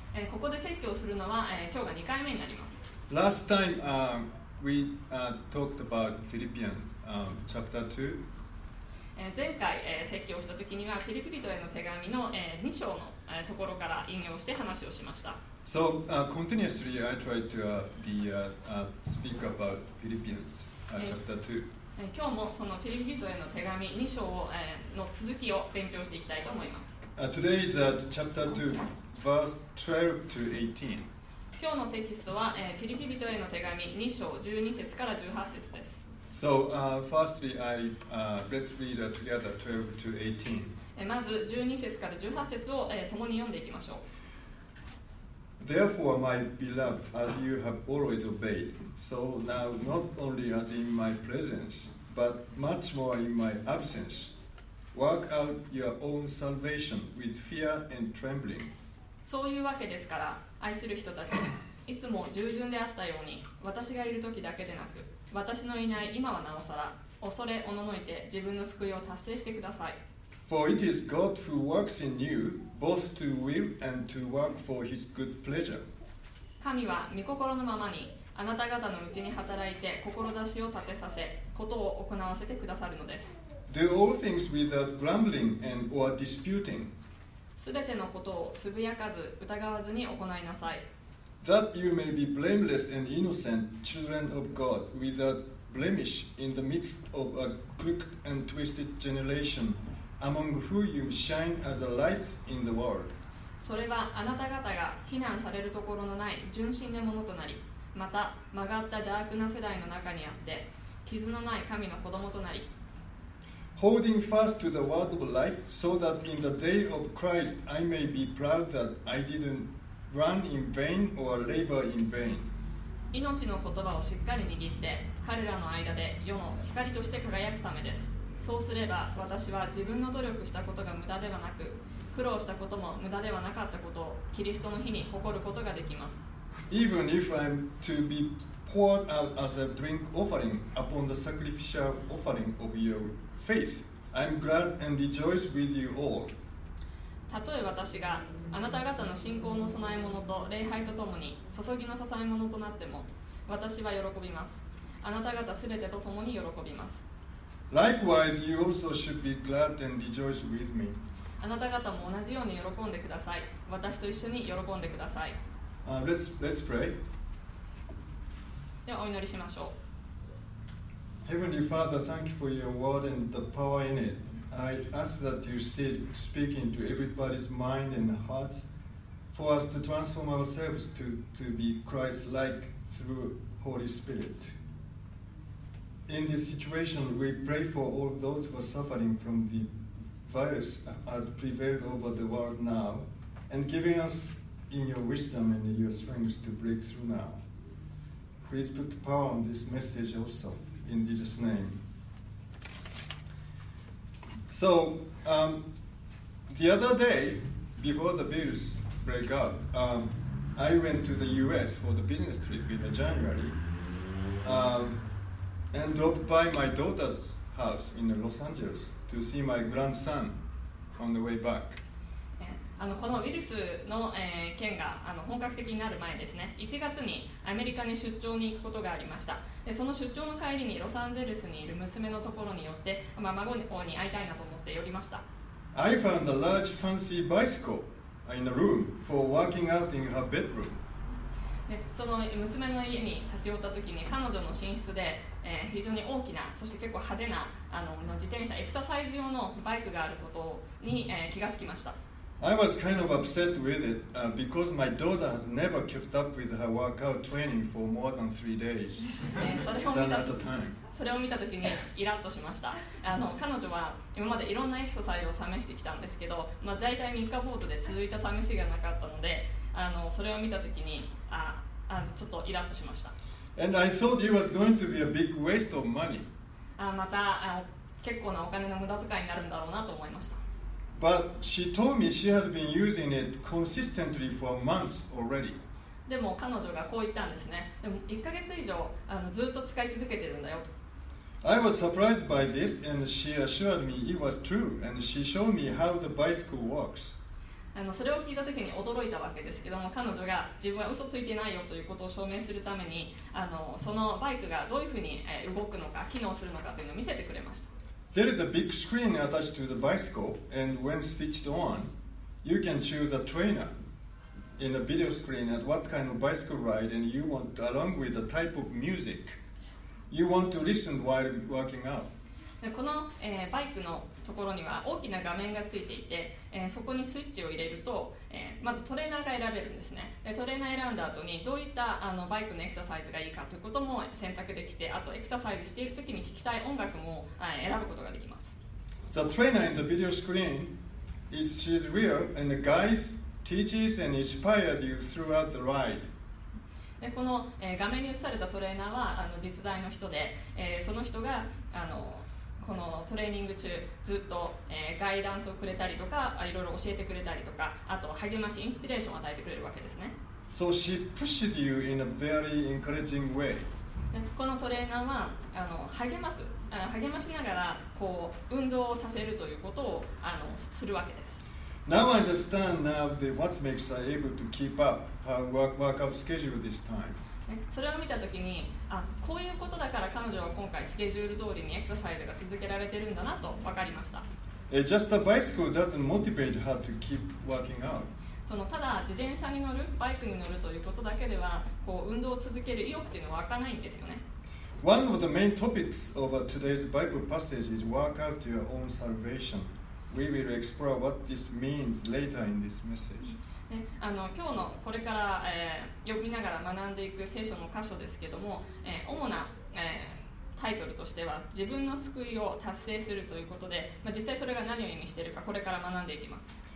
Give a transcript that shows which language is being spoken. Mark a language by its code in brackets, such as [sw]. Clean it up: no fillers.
[ja] ここで説教をするのは、今日が2回目になります。 [en] Last time, we, talked about Philippians, chapter 2. [ja] 前回、説教をした時には、フィリピ人への手紙の、2章の、ところから引用して話をしました。 [en] So, continuously, I tried to, speak about Philippians, chapter 2. [ja] 今日もそのフィリピ人への手紙2章を、の続きを勉強していきたいと思います。 [en] Today is, chapter 2. Verse 12 to 18. [ja] 今日のテキストは、ピリピ人への手紙2章12節から18節です。 [en] So, firstly, let's read together 12 to 18. [ja] まず12節から18節を、共に読んでいきましょう。 [en] Therefore, my beloved, as you have always obeyed, so now not only as in my presence, but much more in my absence, work out your own salvation with fear and trembling. [ja] そういうわけですから、愛する人たち、いつも従順であったように、私がいるときだけでなく、私のいない今はなおさら、恐れおののいて自分の救いを達成してください。 [en] For it is God who works in you, both to will and to work for his good pleasure. [ja] 神は御心のままに、あなた方のうちに働いて、志を立てさせ、ことを行わせてくださるのです。 [en] Do all things without grumbling and or disputing. [ja] すべてのことをつぶやかず、疑わずに行いなさい。 [en] That you may be blameless and innocent children of God, without blemish in the midst of a crooked and twisted generation, among whom you shine as a light in the world. [ja] それはあなた方が非難されるところのない純真なものとなり、また曲がった邪悪な世代の中にあって、傷のない神の子供となり、 [en] Holding fast to the word of life, so that in the day of Christ I may be proud that I didn't run in vain or labor in vain. [ja] 命の言葉をしっかり握って、彼らの間で世の光として輝くためです。そうすれば、私は自分の努力したことが無駄ではなく、苦労したことも無駄ではなかったことを、キリストの日に誇ることができます。 [en] Even if I'm to be poured out as a drink offering upon the sacrificial offering of your Faith, I'm glad and rejoice with you all. [ja] たとえ私があなた方の信仰の供え物と礼拝とともに注ぎの捧え物となっても、私は喜びます。あなた方すべてとともに喜びます。 [en] Likewise, you also should be glad and rejoice with me. [ja] あなた方も同じように喜んでください。私と一緒に喜んでください。 [en] Let's pray. [ja] ではお祈りしましょう。 [en] Heavenly Father, thank you for your word and the power in it. I ask that you still speak into everybody's mind and hearts for us to transform ourselves to be Christ-like through Holy Spirit. In this situation, we pray for all those who are suffering from the virus as prevailed over the world now and giving us in your wisdom and in your strength to break through now. Please put the power on this message also. In Jesus' name. So, the other day, before the virus break out, I went to the U.S. for the business trip in January, and dropped by my daughter's house in Los Angeles to see my grandson on the way back. [ja] このウイルスの、件が本格的になる前ですね、1月にアメリカに出張に行くことがありました。でその出張の帰りにロサンゼルスにいる娘のところに寄って、まあ、孫の方に会いたいなと思って寄りました。 [en] I found a large fancy bicycle in a room for working out in her bedroom. [ja] でその娘の家に立ち寄った時に彼女の寝室で、非常に大きなそして結構派手な自転車エクササイズ用のバイクがあることに、気がつきました。 [en] I was kind of upset with it, because my daughter has never kept up with her workout training for more than 3 days than at a time. [ja] それを見たときにイラッとしました。彼女は今までいろんなエクササイズを試してきたんですけど、まあ、大体3日坊主で続いた試しがなかったので、それを見たときに、あのちょっとイラッとしました。 [en] And I thought it was going to be a big waste of money. [ja] あ、また、あの、結構なお金の無駄遣いになるんだろうなと思いました。 [en] But she told me she had been using it consistently for months already. [ja] でも彼女がこう言ったんですね。でも1ヶ月以上あのずっと使い続けてるんだよ。 [en] I was surprised by this and she assured me it was true and she showed me how the bicycle works. [ja] あのそれを聞いた時に驚いたわけですけども、彼女が自分は嘘ついてないよということを証明するためにあのそのバイクがどういうふうに動くのか、機能するのかというのを見せてくれました。 [en] There is a big screen attached to the bicycle, and when switched on, you can choose a trainer in a video screen at what kind of bicycle ride and you want, along with the type of music you want to listen while working out. [ja] でこの、バイクのところには大きな画面がついていて、そこにスイッチを入れると、まずトレーナーが選べるんですね。でトレーナー選んだ後にどういったあのバイクのエクササイズがいいかということも選択できて、あとエクササイズしているときに聞きたい音楽も、選ぶことができます。 [en] The trainer in the video screen is she's real and the guide teaches and inspires you throughout the ride。 [ja] でこの、画面に映されたトレーナーはあの実在の人で、その人があのこのトレーニング中ずっと、ガイダンスをくれたりとかいろいろ教えてくれたりとかあと励ましインスピレーションを与えてくれるわけですね。 [en] So she pushes you in a very encouraging way. [ja] このトレーナーはあの励ましながらこう運動をさせるということをあのするわけです。 [en] Now I understand now the what makes her able to keep up her workout schedule this time. [ja] それを見たときに、あ、こういうことだから彼女は今回スケジュール通りにエクササイズが続けられてるんだなと分かりました。 [en] Just a bicycle doesn't motivate her to keep working out. [ja] そのただ自転車に乗る、バイクに乗るということだけでは、こう運動を続ける意欲っていうのは湧かないんですよね。 [en] One of the main topics of today's Bible passage is work out your own salvation. We will explore what this means later in this message. [ja] あの今日のこれから、読みながら学んでいく聖書の箇所ですけども、主な、タイトルとしては自分の救いを達成するということで、まあ、実際それが何を意味しているかこれから学んでいきます。